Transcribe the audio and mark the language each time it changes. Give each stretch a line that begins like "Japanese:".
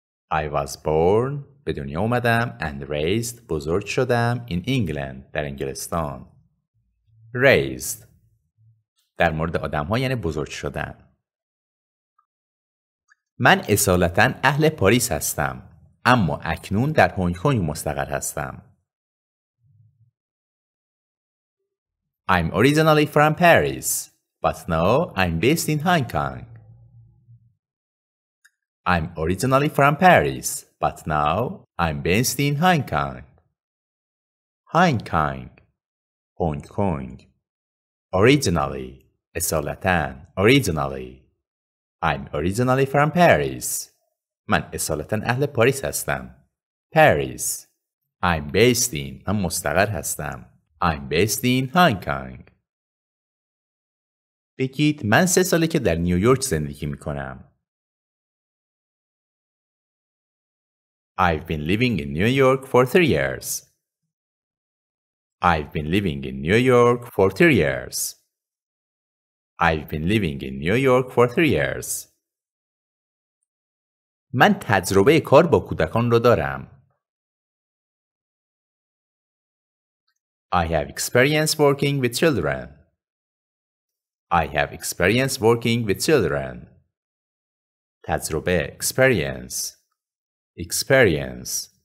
English: I was born
Persian: به دنیا اومدم
English: and raised
Persian: بزرگ شدم
English: in England
Persian: در انگلستان. Raised در مورد آدم ها یعنی بزرگ شدن. من اصالتاً اهل پاریس هستم اما اکنون در هنگ کنگ مستقر هستم.
English: I'm originally from Paris but now I'm based in Hong Kong. I'm originally from Paris but now I'm based in Hong Kong.
Persian: هانگ کانگ، هونگ کونگ. Originally، اصالتاً.
English: Originally، I'm originally from Paris.
Persian: من اصالتاً اهل پاریس هستم.
English: Paris. I'm based in،
Persian: من مستقر هستم.
English: I'm based in Hong Kong.
Persian: بگید من 3 ساله که در نیویورک زندگی میکنم.
English: I've been living in New York for 3 years. I've been living in New York for 3 years. I've been living in New York for 3 years.
Persian: من تجربه کار با کودکان رو دارم.
English: I have experience working with children. I have experience working with children.
Persian: تجربه experience.